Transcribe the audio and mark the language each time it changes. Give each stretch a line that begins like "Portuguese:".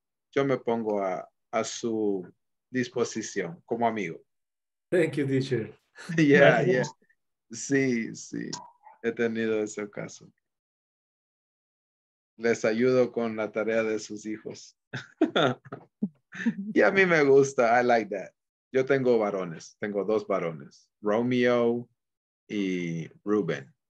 Spanish: Yo me pongo a su disposición como amigo.
English: Thank you, teacher.
Spanish: Yeah. Sí, he tenido ese caso. Les ayudo con la tarea de sus hijos. Y a mí me gusta,
English: I like that.
Spanish: Yo tengo varones, tengo dos varones, Romeo y Ruben.